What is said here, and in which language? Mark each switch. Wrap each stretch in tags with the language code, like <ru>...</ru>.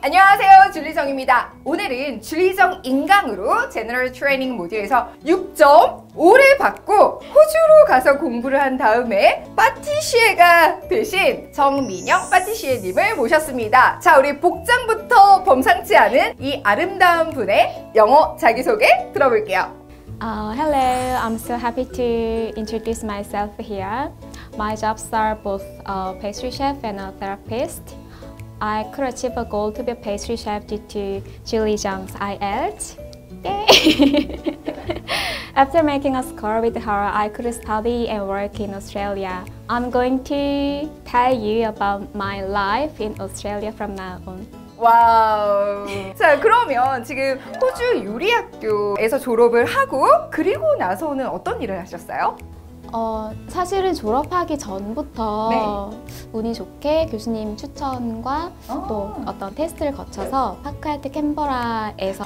<ko>안녕하세요, 줄리정입니다. 오늘은 줄리정 인강으로 제너럴 트레이닝 모듈에서 6.5를 받고 호주로 가서 공부를 한 다음에 파티시에가 되신 정민영 파티시에님을 모셨습니다. 자, 우리 복장부터 범상치 않은 이 아름다운 분의 영어 자기소개 들어볼게요.</ko> <en>Hello, I'm so happy to introduce myself here. My jobs are both a pastry chef and a therapist. I could achieve a goal to be a pastry chef due to Julie Zhang's IELTS. Yay! After making a score with her, I could study and work in Australia. I'm going to tell you about my life in Australia from now on.</en> <ko>와우. 자, 그러면 지금 호주 요리학교에서 졸업을 하고 그리고 나서는 어떤 일을 하셨어요? 사실은 졸업하기 전부터 네. 운이 좋게 교수님 추천과 또 어떤 테스트를 거쳐서 파크하얏트 캔버라에서</ko>